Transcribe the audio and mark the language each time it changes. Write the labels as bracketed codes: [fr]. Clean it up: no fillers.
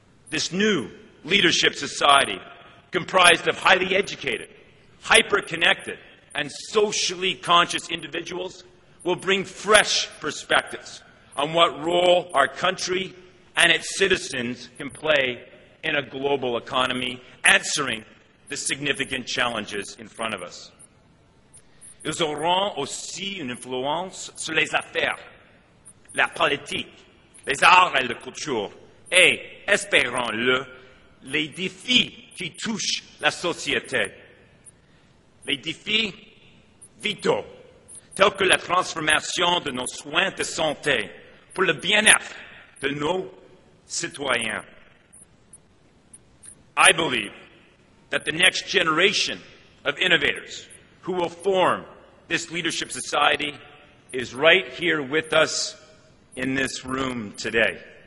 [en] This new leadership society, comprised of highly educated, hyper-connected, and socially conscious individuals, will bring fresh perspectives on what role our country and its citizens can play in a global economy, answering the significant challenges in front of us. [fr] Ils auront aussi une influence sur les affaires, la politique, les arts et la culture, et, espérons-le, les défis qui touchent la société. Les défis vitaux, tels que la transformation de nos soins de santé pour le bien-être de nos citoyens. [en] I believe that the next generation of innovators who will form this leadership society is right here with us in this room today.